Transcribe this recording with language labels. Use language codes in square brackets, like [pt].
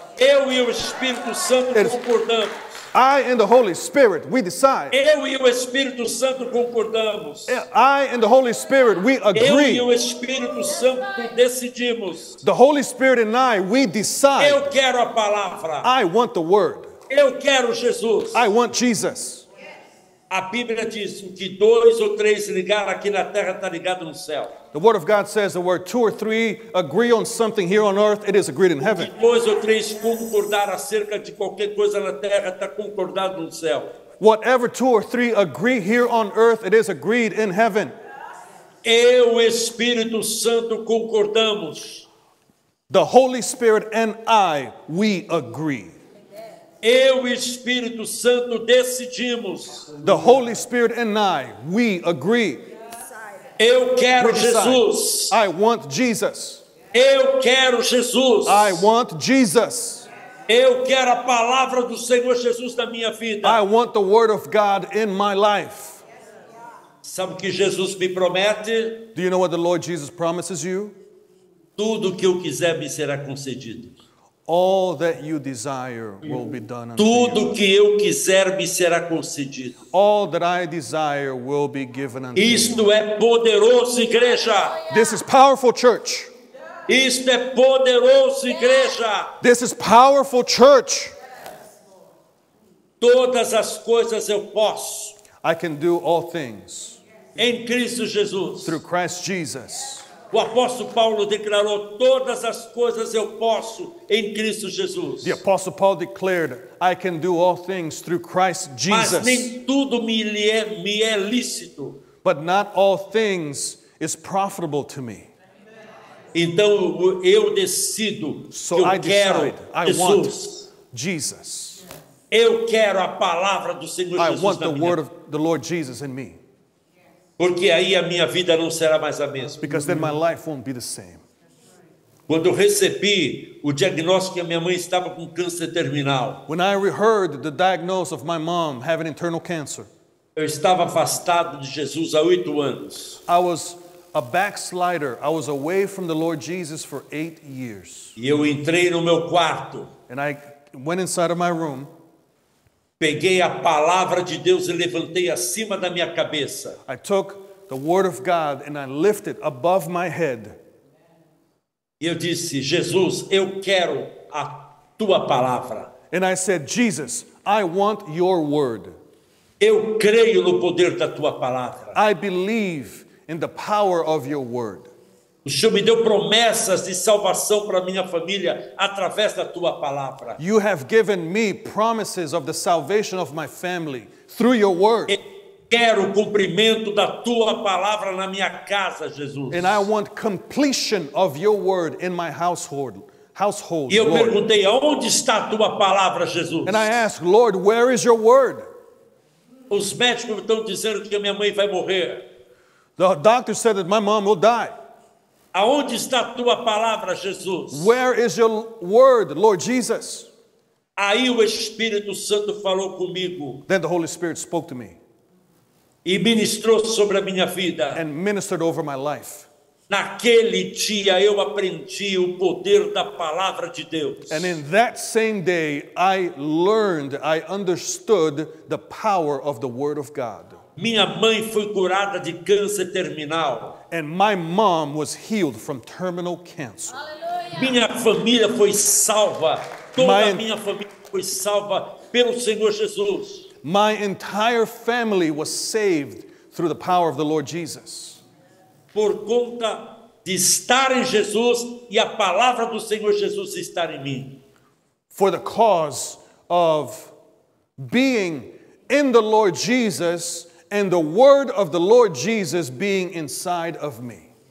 [pt] Eu e o Espírito Santo concordamos. [en] I and the Holy Spirit, we decide. [pt] Eu e o Espírito Santo concordamos. [en] I and the Holy Spirit, we agree. [pt] Eu e o Espírito Santo decidimos. [en] The Holy Spirit and I, we decide. [pt] Eu quero a palavra. [en] I want the word. [pt] Eu quero Jesus. [en] I want Jesus. [pt] A Bíblia diz que dois ou três ligar aqui na terra está ligado no céu. [en] The word of God says that where two or three agree on something here on earth, it is agreed in heaven. [pt] Dois ou três concordar acerca de qualquer coisa na terra está concordado no céu. [en] Whatever two or three agree here on earth, it is agreed in heaven. [pt] Eu, Espírito Santo, concordamos. [en] The Holy Spirit and I, we agree. [pt] Eu e Espírito Santo decidimos. [en] The Holy Spirit and I, we agree. [pt] Eu quero Jesus. [en] I want Jesus. [pt] Eu quero Jesus. [en] I want Jesus. [pt] Eu quero a palavra do Senhor Jesus na minha vida. [en] I want the word of God in my life. [pt] Sabe o que Jesus me promete? [en] Do you know what the Lord Jesus promises you? [pt] Tudo que eu quiser me será concedido. [en] All that you desire will be done unto [pt] tudo [en] you. [pt] Tudo que eu quiser me será concedido. [en] All that I desire will be given unto [pt] isto [en] you. [pt] Isto é poderoso, igreja. [en] This is powerful, church. [pt] Isto é poderoso, igreja. [en] This is powerful, church. [pt] Todas as coisas eu posso. [en] I can do all things. [pt] Em Cristo Jesus. [en] Through Christ Jesus. [pt] O apóstolo Paulo declarou, todas as coisas eu posso em Cristo Jesus. [en] The apostle Paul declared, I can do all things through Christ Jesus. [pt] Mas nem tudo me é lícito. [en] But not all things is profitable to me. [pt] Então eu decido, [en] so [pt] eu [en] I [pt] quero [en] decide, I [pt] Jesus. [en] Want Jesus. [pt] Eu quero a palavra do Senhor [en] I [pt] Jesus na minha [en] I want the word of the Lord Jesus in me. [pt] Porque aí a minha vida não será mais a mesma. [en] Because then my life won't be the same. [pt] Quando eu recebi o diagnóstico que a minha mãe estava com câncer terminal. [en] When I heard the diagnosis of my mom having internal cancer. [pt] Eu estava afastado de Jesus há 8 anos. [en] I was a backslider. I was away from the Lord Jesus for 8 years. [pt] E eu entrei no meu quarto. [en] And I went inside of my room. [pt] Peguei a palavra de Deus e levantei acima da minha cabeça. [en] I took the word of God and I lifted above my head. [pt] E eu disse, Jesus, eu quero a tua palavra. [en] And I said, Jesus, I want your word. [pt] Eu creio no poder da tua palavra. [en] I believe in the power of your word. [pt] O Senhor me deu promessas de salvação para minha família através da tua palavra. [en] You have given me promises of the salvation of my family through your word. [pt] Eu quero o cumprimento da tua palavra na minha casa, Jesus. [en] And I want completion of your word in my household. [pt] E eu perguntei, onde está a tua palavra, Jesus? [en] And I asked, Lord, where is your word? [pt] Os médicos estão dizendo que a minha mãe vai morrer. [en] The doctor said that my mom will die. [pt] Aonde está a tua palavra, Jesus? [en] Where is your word, Lord Jesus? [pt] Aí o Espírito Santo falou comigo. [en] Then the Holy Spirit spoke to me. [pt] E ministrou sobre a minha vida. [en] And ministered over my life. [pt] Naquele dia eu aprendi o poder da palavra de Deus. [en] And in that same day I learned, I understood the power of the word of God. [pt] Minha mãe foi curada de câncer terminal. [en] And my mom was healed from terminal cancer. [pt] Aleluia. Minha família foi salva. Toda a minha família foi salva pelo Senhor Jesus. [en] My entire family was saved through the power of the Lord Jesus. [pt] Por conta de estar em Jesus e a palavra do Senhor Jesus estar em mim. [en] For the cause of being in the Lord Jesus and the word of the Lord Jesus being inside of me.